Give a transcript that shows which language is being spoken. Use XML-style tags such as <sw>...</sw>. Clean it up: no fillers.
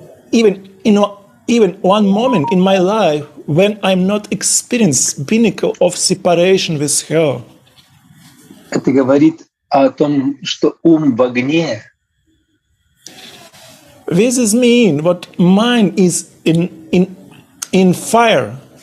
<en>Even one moment in my life when I'm not experienced pinnacle of separation with her.</en> <ru>Это говорит о том, что ум в огне.</ru> <en>This is mean what mind is in fire.</en>